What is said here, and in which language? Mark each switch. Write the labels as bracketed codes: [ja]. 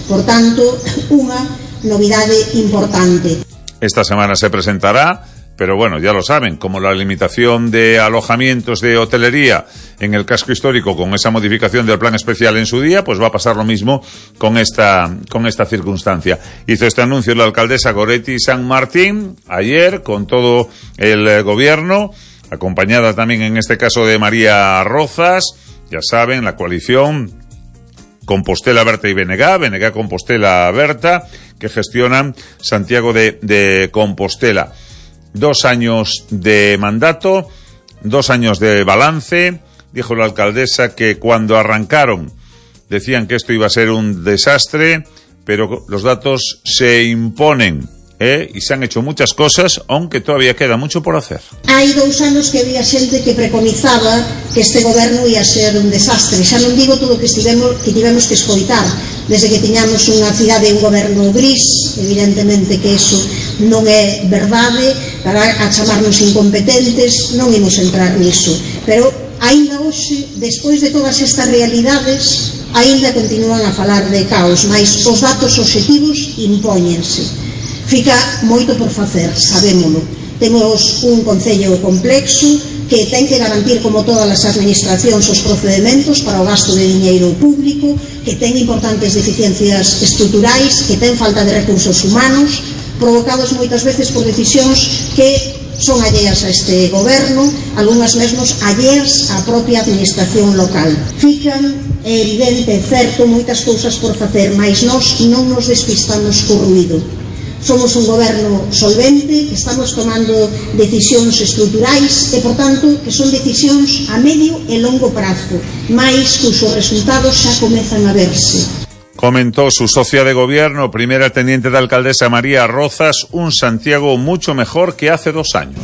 [gl] Por tanto, unha novidade importante. [es] Esta semana se presentará, pero bueno, ya lo saben, como la limitación de alojamientos de hotelería en el casco histórico con esa modificación del plan especial en su día, pues va a pasar lo mismo con esta circunstancia. Hizo este anuncio la alcaldesa Goretti San Martín ayer con todo el gobierno, acompañada también en este caso de María Rozas, ya saben, la coalición Compostela Berta y BNG Compostela Berta, que gestionan Santiago de Compostela. 2 años de mandato, 2 años de balance. Dijo la alcaldesa que cuando arrancaron decían que esto iba a ser un desastre, pero los datos se imponen, y se han hecho muchas cosas, aunque todavía queda mucho por hacer. Hay 2 años que había gente que preconizaba que este gobierno iba a ser un desastre. [gl] Xa non digo todo o que tivemos que escoitar desde que tiñamos unha cidade e un goberno gris, evidentemente que eso non é verdade, para a chamarnos incompetentes, non imos entrar niso. Pero, ainda hoxe, despois de todas estas realidades, ainda continúan a falar de caos, mas os datos objetivos impóñense. Fica moito por facer, sabémolo. Temos un concello complexo que ten que garantir, como todas as administracións, os procedementos para o gasto de diñeiro público, que ten importantes deficiencias estruturais, que ten falta de recursos humanos, provocados moitas veces por decisións que son alleas a este goberno, algunhas mesmos alleas á propia administración local. Fican evidente, certo, moitas cousas por facer, mas nós non nos despistamos co ruído. Somos un goberno solvente, que estamos tomando decisións estruturais e, por tanto, que son decisións a medio e longo prazo, mas cuxos resultados xa comezan a verse. [es] comentó su socia de gobierno, primera teniente de alcaldesa María Rozas, un Santiago mucho mejor que hace dos años.